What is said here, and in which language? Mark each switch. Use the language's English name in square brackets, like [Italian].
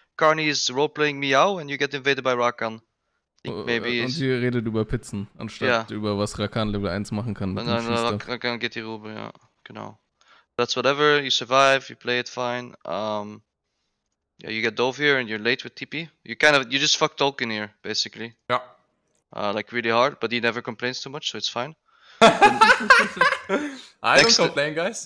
[English] Carney is roleplaying Meow and you get invaded by Rakan. Maybe [German] und sie redet über Pizzen, anstatt über was Rakan Level 1 machen kann. Rakan geht die Rube, ja, genau. [English] That's whatever, you survive, you play it fine. Yeah, you get dove here and you're late with TP. You just fuck Tolkien here, basically. [German] Ja. [English] Really hard, but he never complains too much, so it's fine. I don't complain, guys.